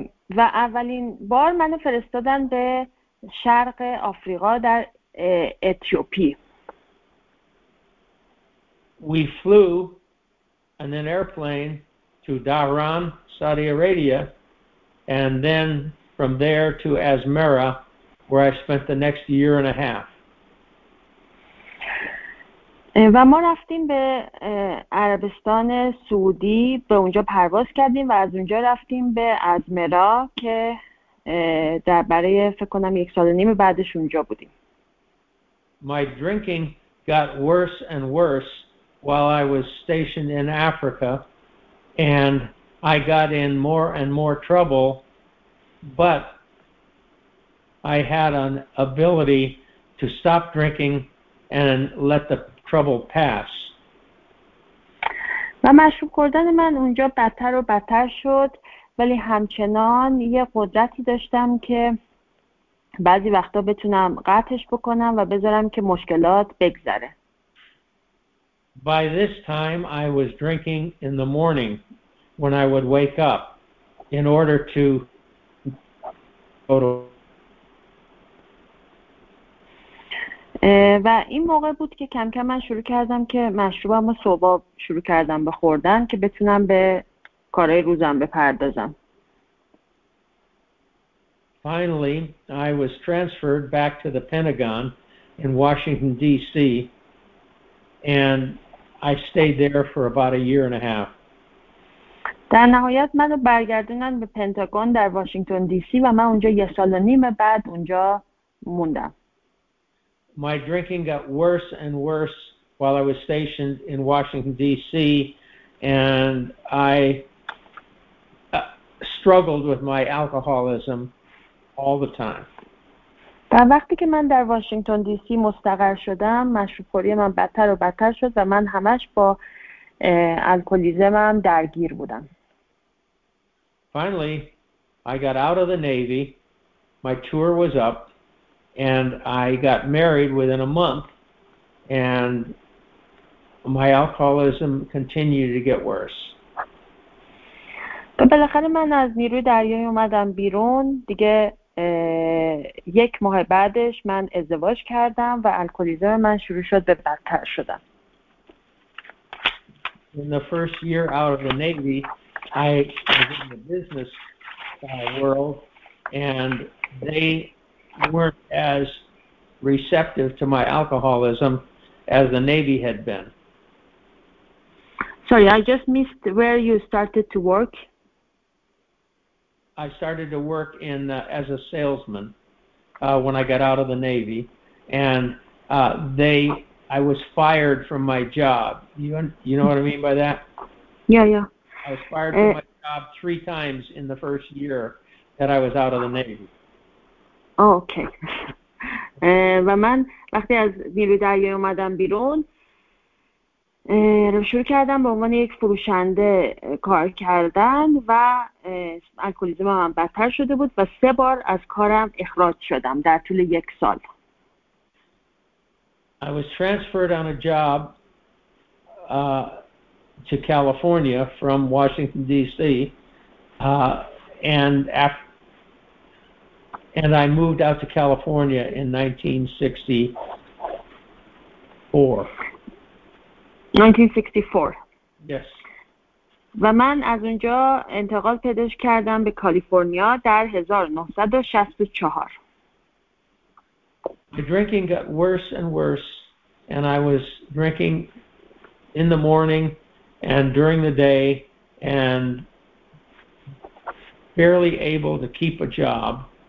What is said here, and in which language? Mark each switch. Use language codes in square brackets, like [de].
[fa] و اولین بار منو فرستادن به شرق آفریقا در اتیوپی. [en] We flew in an airplane to Dahran, Saudi Arabia, and then from there to Asmara, where I spent the next year and a half. [fa] و ما رفتیم به عربستان سعودی، به اونجا پرواز کردیم و از اونجا رفتیم به ازمرا که در برای فکر کنم یک سال و نیم بعدش اونجا بودیم. [en] My drinking got worse and worse while I was stationed in Africa, and I got in more and more trouble, but I had an ability to stop drinking and let the trouble pass. [fa] و مشروب خوردن من اونجا بدتر و بدتر شد، ولی همچنان یه قدرتی داشتم که بعضی وقتا بتونم قطعش بکنم و بذارم که مشکلات بگذره. [en] By this time, I was drinking in the morning when I would wake up in order to go to. [fa] و این موقع بود که کم کم من شروع کردم که مشروبم و صبح شروع کردم به خوردن که بتونم به کارهای روزم بپردازم. [en] Finally, I was transferred back to the Pentagon in Washington, D.C. and I stayed there for about a year and a half. [fa] در نهایت منو برگردوندن به پنتاگون در واشنگتن دی سی و من اونجا یه سال و نیم بعد اونجا موندم. [en] My drinking got worse and worse while I was stationed in Washington DC and I struggled with my alcoholism all the time. [fa] در وقتی که من در واشنگتن دی سی مستقر شدم، مشروب خوری من بدتر و بدتر شد و من همش با الکلیزمم درگیر بودم. [en] Finally, I got out of the Navy, my tour was up, and I got married within a month, and my alcoholism continued to get worse. [fa] و بالاخره من از نیروی دریایی اومدم بیرون، دیگه یک ماه بعدش من ازدواج کردم و الکلیزم من شروع شد به بدتر شدن. [en] In the first year out of the Navy, I was in the business world and they weren't as receptive to my alcoholism as the Navy had been. Sorry, I just missed where you started to work. I started to work in as a salesman when I got out of the Navy, and I was fired from my job. You know what I mean by that? Yeah, yeah. I was fired from my job 3 times in the first year that I was out of the Navy. Okay. [fa] و من وقتی از نیروی دریایی اومدم بیرون شروع کردم به عنوان یک فروشنده کار کردن و الکلیزم من بدتر شده بود و 3 بار از کارم اخراج شدم در طول یک سال. [en] I was transferred on a job to California from Washington DC and And I moved out to California in 1964. 1964. Yes. [fa] و من از اونجا انتقال پیدا کردم به کالیفرنیا در 1964. [en] The drinking got worse and worse, and I was drinking in the morning and during the day and barely able to keep a job.